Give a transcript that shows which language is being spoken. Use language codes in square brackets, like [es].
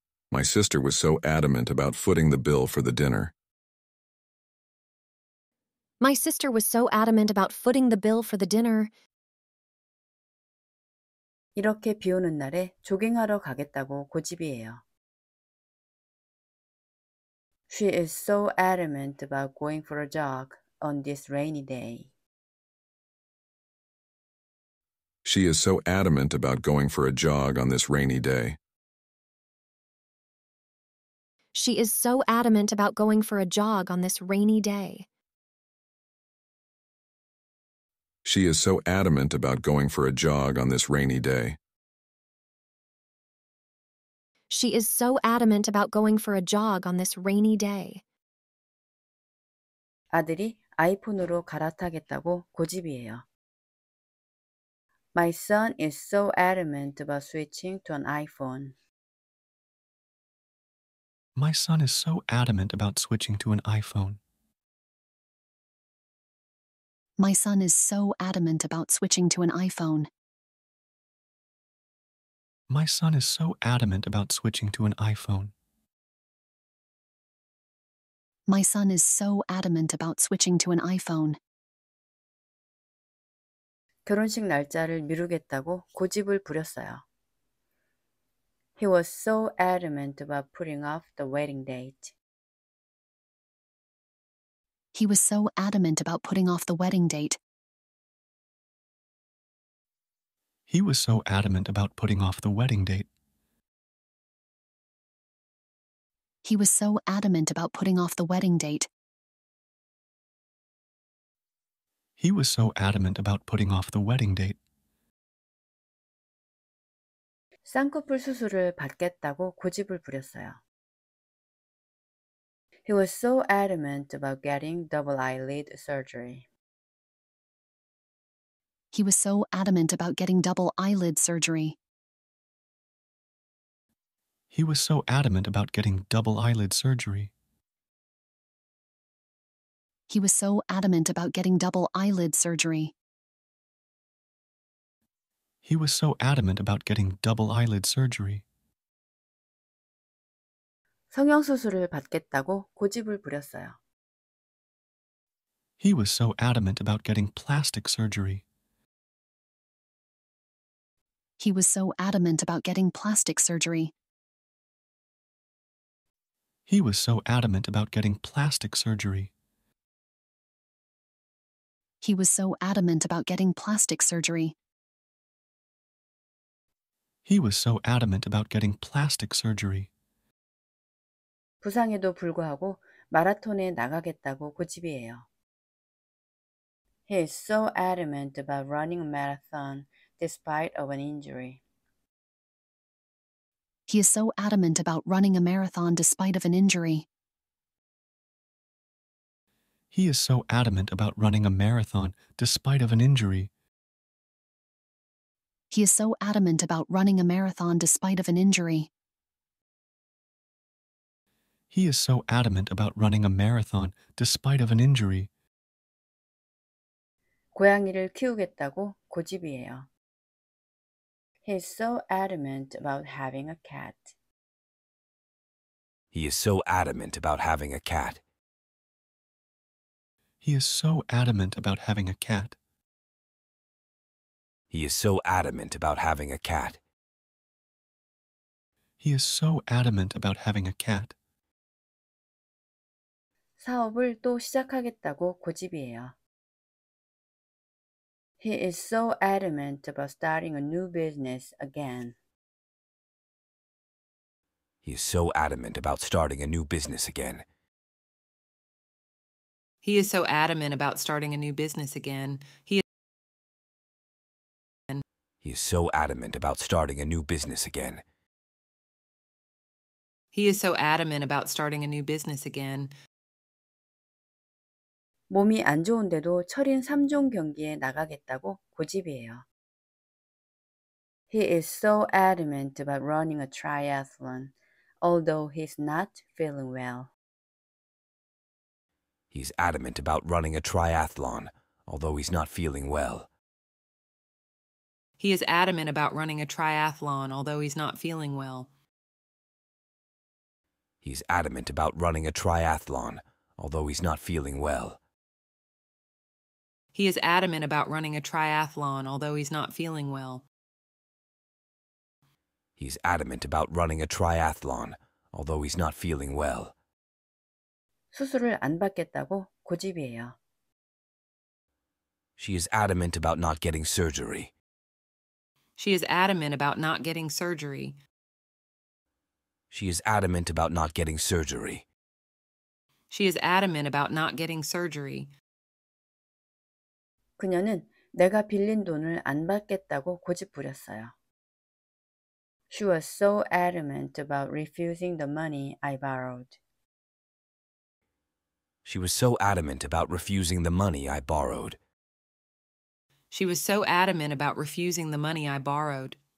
[en] My sister was so adamant about footing the bill for the dinner. My sister was so adamant about footing the bill for the dinner. [ko] 이렇게 비 오는 날에 조깅하러 가겠다고 고집이에요. [en] She is so adamant about going for a jog on this rainy day. She is so adamant about going for a jog on this rainy day. She is so adamant about going for a jog on this rainy day. She is so adamant about going for a jog on this rainy day. She is so adamant about going for a jog on this rainy day. [ko] 아들이 아이폰으로 갈아타겠다고 고집이에요. [en] My son is so adamant about switching to an iPhone. My son is so adamant about switching to an iPhone. My son is so adamant about switching to an iPhone. My son is so adamant about switching to an iPhone. My son is so adamant about switching to an iPhone. [ko] 결혼식 날짜를 미루겠다고 고집을 부렸어요. [en] He was so adamant about putting off the wedding date. He was so adamant about putting off the wedding date. He was so adamant about putting off the wedding date. He was so adamant about putting off the wedding date. He was so adamant about putting off the wedding date. [ko] 쌍꺼풀 수술을 받겠다고 고집을 부렸어요. [en] He was so adamant about getting double eyelid surgery. He was so adamant about getting double eyelid surgery. He was so adamant about getting double eyelid surgery. He was so adamant about getting double eyelid surgery. He was so adamant about getting double eyelid surgery. [ko] 성형수술을 받겠다고 고집을 부렸어요. [en] He was so adamant about getting plastic surgery. He was so adamant about getting plastic surgery. He was so adamant about getting plastic surgery. He was so adamant about getting plastic surgery. He was so adamant about getting plastic surgery. [ko] 부상에도 불구하고 마라톤에 나가겠다고 고집이에요. [en] He is so adamant about running a marathon despite of an injury. He is so adamant about running a marathon despite of an injury. He is so adamant about running a marathon despite of an injury. He is so adamant about running a marathon despite of an injury. He is so adamant about running a marathon despite of an injury. [ko] 고양이를 키우겠다고 고집이에요. [en] He is so adamant about having a cat. He is so adamant about having a cat. He is so adamant about having a cat. He is so adamant about having a cat. He is so adamant about having a cat. [ko] 사업을 또 시작하겠다고 고집이에요. [en] He is so adamant about starting a new business again. He is so adamant about starting a new business again. He is so adamant about starting a new business again. He is so adamant about starting a new business again. He is so adamant about starting a new business again. [ko] 몸이 안 좋은데도 철인 3종 경기에 나가겠다고 고집이에요. [en] He is so adamant about running a triathlon, although he's not feeling well. He's adamant about running a triathlon, although he's not feeling well. He is adamant about running a triathlon, although he's not feeling well. He's adamant about running a triathlon, although he's not feeling well. He is adamant about running a triathlon, although he's not feeling well. He's adamant about running a triathlon, although he's not feeling well. [ko] 수술을 안 받겠다고 고집이에요. [en] She is adamant about not getting surgery. She is adamant about not getting surgery. She is adamant about not getting surgery. She is adamant about not getting surgery. [ko] 그녀는 내가 빌린 돈을 안 받겠다고 고집부렸어요. [en] She was so adamant about refusing the money I borrowed. She was so adamant about refusing the money I borrowed. She was so adamant about refusing the money I borrowed.